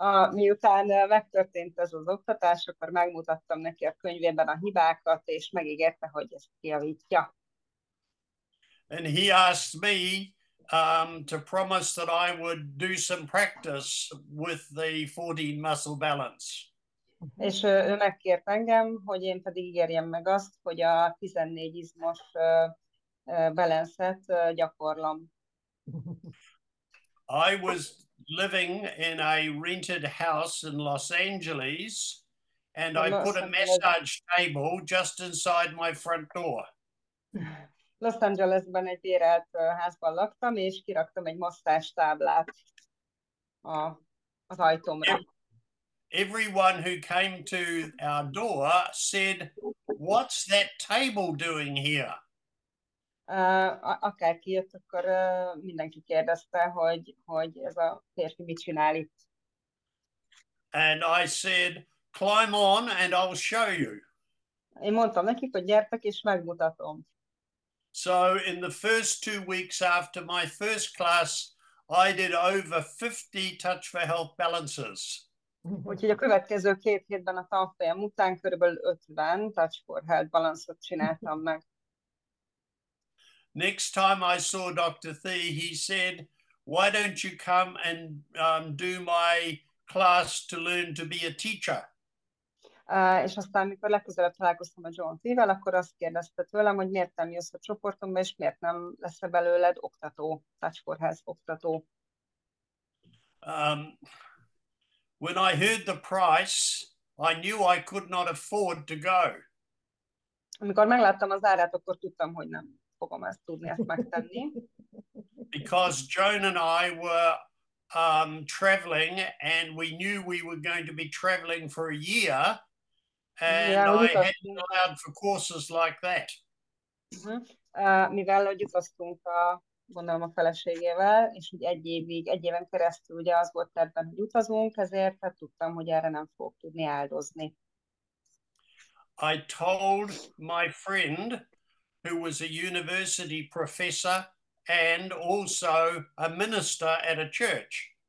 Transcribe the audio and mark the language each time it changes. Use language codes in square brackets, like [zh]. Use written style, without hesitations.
[hu] Miután megtörtént ez az oktatás, akkor megmutattam neki a könyvében a hibákat, és megígérte, hogy ezt kijavítja. [en] And he asked me to promise that I would do some practice with the 14 muscle balance. [hu] És ő megkért engem, hogy én pedig ígérjem meg azt, hogy a 14 izmos balance-et gyakorlom. [en] I was living in a rented house in Los Angeles, and I put a massage table just inside my front door. [hu] Los Angelesben egy bérelt házban laktam, és kiraktam egy masszázstáblát az ajtómra. [en] Everyone who came to our door said, "What's that table doing here?" [hu] Akár kijött, akkor mindenki kérdezte, hogy ez a férfi mit csinál itt. [en] And I said, climb on and I'll show you. [hu] Én mondtam nekik, hogy gyertek és megmutatom. [en] So in the first 2 weeks after my first class, I did over 50 touch for health balances. [hu] Úgyhogy a következő két hétben a tanfolyam után körülbelül 50 touch for health balance-ot csináltam meg. [en] next time I saw Dr. Thee, he said, why don't you come and do my class to learn to be a teacher? [hu] És aztán, amikor legközelebb találkoztam a John Thee-vel, akkor azt kérdezte tőlem, hogy miért nem jössz a csoportomba, és miért nem lesz belőled oktató, Touch for Health oktató. [en] When I heard the price, I knew I could not afford to go. [hu] Amikor megláttam az árát, akkor tudtam, hogy nem fogom ezt tudni, ezt megtenni. [en] Because Joan and I were traveling, and we knew we were going to be traveling for a year, and I hadn't allowed for courses like that. [hu] Mivel utaztunk a, gondolom, a feleségével, és ugye egy éven keresztül ugye az volt tervben, hogy utazunk, ezért hát tudtam, hogy erre nem fogok tudni áldozni. [en] I told my friend, who was a university professor and also a minister at a church.